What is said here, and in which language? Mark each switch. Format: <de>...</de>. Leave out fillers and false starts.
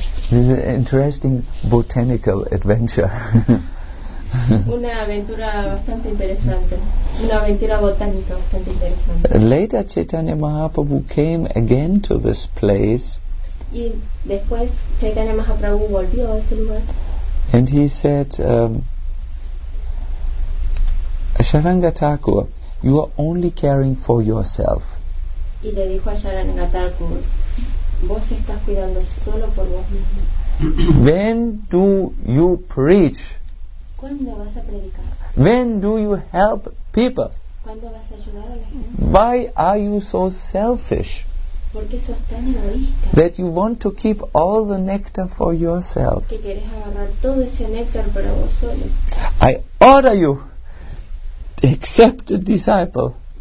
<en>This is an interesting botanical adventure.</en> <es>Una aventura bastante interesante. Una aventura botánica bastante interesante.</es> <en>Later, Chaitanya Mahaprabhu came again to this place.</en> <es>Y después Chaitanya Mahaprabhu volvió a ese lugar.</es> <en>And he said, Sharangatakur, you are only caring for yourself.</en> <es>Y le dijo a Sharangatakur, vos estás cuidando solo por vos mismo.</es> <en>When do you preach?</en> <es>¿Cuándo vas a predicar?</es> <en>When do you help people?</en> <es>¿Cuándo vas a ayudar a la gente?</es> <en>Why are you so selfish?</en> <es>¿Por qué sos tan egoísta?</es> <en>That you want to keep all the nectar for yourself.</en> <es>Que querés agarrar todo ese néctar para vos solo.</es> <en>I order you, accept a disciple.</en>